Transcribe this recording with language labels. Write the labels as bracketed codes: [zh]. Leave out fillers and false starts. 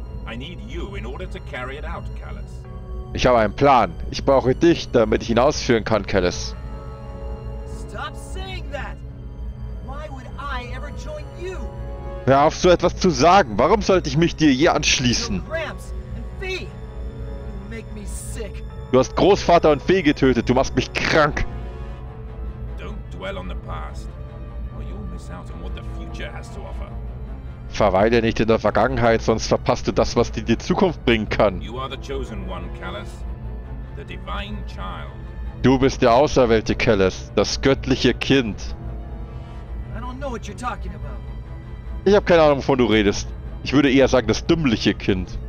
[en] I need you in order to carry it out, Kallus. [de] Ich habe einen Plan. Ich brauche dich, damit ich ihn ausführen kann, Kallus. [en] Stop saying that. Why would I ever join you? [de] Hör auf, so etwas zu sagen. Warum sollte ich mich dir je anschließen? [en] You make me sick. [de] Du hast Großvater und Fee getötet, du machst mich krank. [en] dwell on the past, or you'll miss out on what the future has to offer. [de] Verweile nicht in der Vergangenheit, sonst verpasst du das, was dir die Zukunft bringen kann. [en] You are the chosen one, Kallus. The divine child. [de] Du bist der Auserwählte, Kallus, das göttliche Kind. [en] I don't know what you're talking about. [de] Ich habe keine Ahnung, wovon du redest. Ich würde eher sagen, das dümmliche Kind.